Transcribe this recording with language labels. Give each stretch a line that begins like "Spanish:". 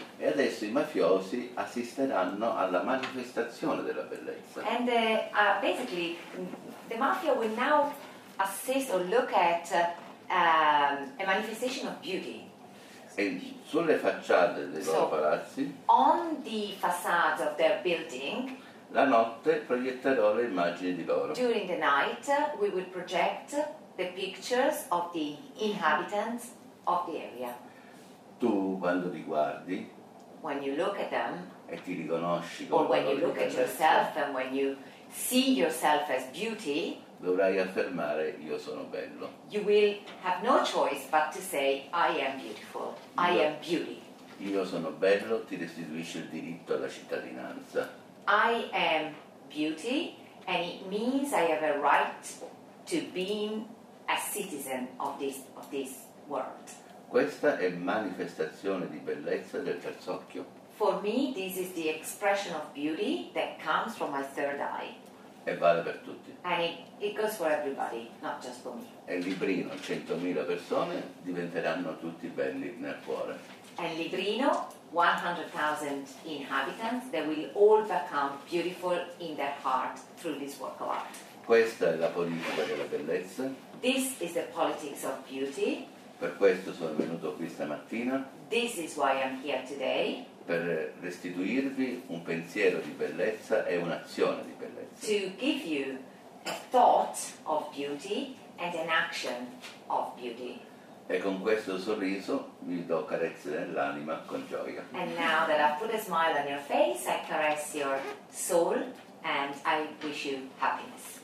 Italian: E adesso i mafiosi assisteranno alla manifestazione della bellezza.
English: And basically, the mafia will now assist or look at a manifestation of beauty.
Italian: E sulle facciate dei loro palazzi,
English: on the facade of their building,
Italian: la notte proietterò le immagini di loro.
English: During the night, we will project the pictures of the inhabitants of the area.
Italian: Tu, quando li guardi,
English: when you look at them,
Italian: e ti riconosci
English: come, or when you look at yourself and when you see yourself as beauty,
Italian: dovrai affermare io sono bello.
English: You will have no choice but to say I am beautiful. I am beauty.
Italian: Io sono bello ti restituisce il diritto alla cittadinanza.
English: I am beauty, and it means I have a right to being a citizen of this world.
Italian: Questa è manifestazione di bellezza del terzo occhio.
English: For me, this is the expression of beauty that comes from my third eye.
Italian: E vale per tutti.
English: And it goes for everybody, not just for me.
Italian: E il librino, 100.000 persone diventeranno tutti belli nel cuore.
English: And librino, 100,000 inhabitants, they will all become beautiful in their heart through this work of art.
Italian: Questa è la politica della bellezza.
English: This is the politics of beauty.
Italian: Per questo sono venuto qui stamattina.
English: This is why I'm here today.
Italian: Per restituirvi un pensiero di bellezza e un'azione di bellezza.
English: To give you a thought of beauty and an action of beauty.
Italian: E con questo sorriso vi do carezze nell'anima con gioia.
English: And now that I've put a smile on your face, I caress your soul and I wish you happiness.